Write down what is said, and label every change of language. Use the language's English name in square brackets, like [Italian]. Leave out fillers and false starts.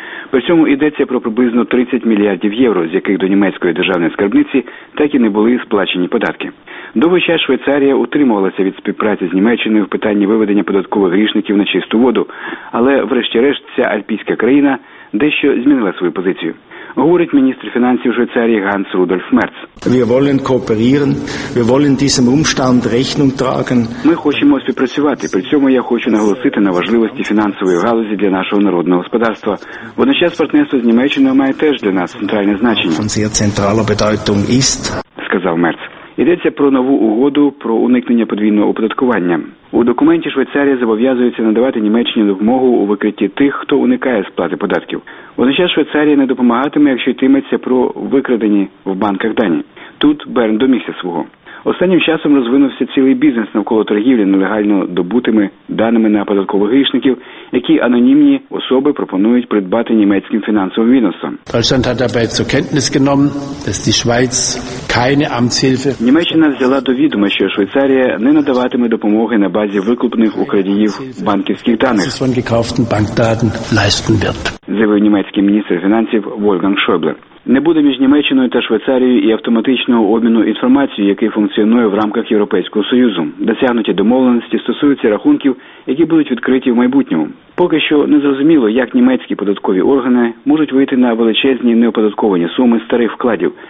[Ukrainian] При цьому йдеться про приблизно 30 мільярдів євро, з яких до німецької державної скарбниці так і не були сплачені податки. Довгий час Швейцарія утримувалася від співпраці з Німеччиною в питанні виведення податкових грішників на чисту воду, але врешті-решт ця альпійська країна дещо змінила свою позицію. говорить міністр фінансів Швейцарії Ганс Рудольф Мерц. [German] Wir wollen kooperieren, wir wollen diesem Umstand Rechnung tragen. [Ukrainian] Ми хочемо співпрацювати. При цьому я хочу наголосити на важливості фінансової галузі для нашого народного господарства. Водночас партнерство з Німеччиною має теж для нас центральне значення. [German] Von sehr zentraler Bedeutung ist, [Ukrainian] сказав Мерц. Йдеться про нову угоду про уникнення подвійного оподаткування. У документі Швейцарія зобов'язується надавати Німеччині допомогу у викритті тих, хто уникає сплати податків. Водночас Швейцарія не допомагатиме, якщо йтиметься про викрадені в банках дані. Тут Берн домігся свого. Останнім часом розвинувся цілий бізнес навколо торгівлі нелегально добутими даними на податкових грішників, які анонімні особи пропонують придбати німецьким фінансовим відомствам. [German] Deutschland hat dabei zur Kenntnis genommen, dass die Schweiz keine Amtshilfe. [Ukrainian] Німеччина взяла до відома, що Швейцарія не надаватиме допомоги на базі викуплених у крадіїв банківських даних. [German] Von gekauften Bankdaten leisten wird. [Ukrainian] Заявив німецький міністр фінансів Вольфганг Шойбле. Не буде між Німеччиною та Швейцарією і автоматичного обміну інформацією, який функціонує в рамках Європейського Союзу. Досягнуті домовленості стосуються рахунків, які будуть відкриті в майбутньому. Поки що не зрозуміло, як німецькі податкові органи можуть вийти на величезні неоподатковані суми старих вкладів.